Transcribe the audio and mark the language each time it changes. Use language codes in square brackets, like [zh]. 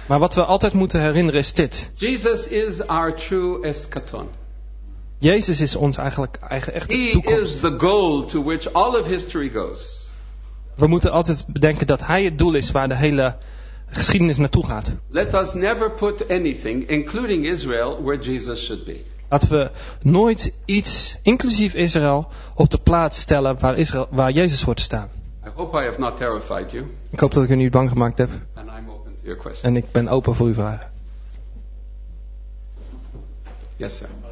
[nl] Maar wat we altijd moeten herinneren is dit. [en] Jesus is our true eschaton. [nl] Jezus is ons eigenlijk eigen echte [en] He [nl] toekomst. [en] He is the goal to which all of history goes. [nl] We moeten altijd bedenken dat Hij het doel is waar de hele geschiedenis naartoe gaat. [en] Let us never put anything, including Israel, where Jesus should be. [nl] Laten we nooit iets, inclusief Israël, op de plaats stellen waar, Israël, waar Jezus hoort te staan. [en] I hope I have not terrified you. [nl] Ik hoop dat ik u niet bang gemaakt heb. [en] And I'm open to your questions. [nl] En ik ben open voor uw vragen. [en] Yes, sir.